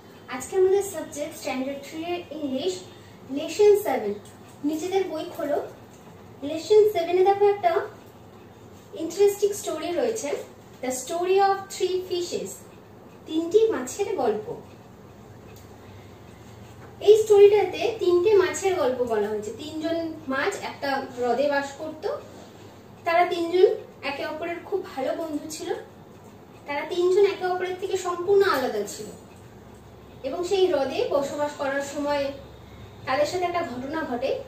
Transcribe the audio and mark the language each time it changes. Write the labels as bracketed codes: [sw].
[bn] আজকে আমাদের [en] subject standard 3 English lesson 7. [bn] নিচেদের বই খোলো. Lesson 7 এ দেখো একটা interesting story রয়েছে. [en] The story of three fishes. [bn] তিনটি মাছের গল্প. এই স্টোরিটাতে তিনটে মাছের গল্প বলা হয়েছে. তিনজন মাছ একটা হ্রদে বাস করত. তারা তিনজন একে অপরের খুব ভালো বন্ধু ছিল. তারা তিনজন একে অপরের থেকে সম্পূর্ণ আলাদা ছিল এবং সেই হ্রদে বসবাস করার সময় তাদের সাথে একটা ঘটনা ঘটে.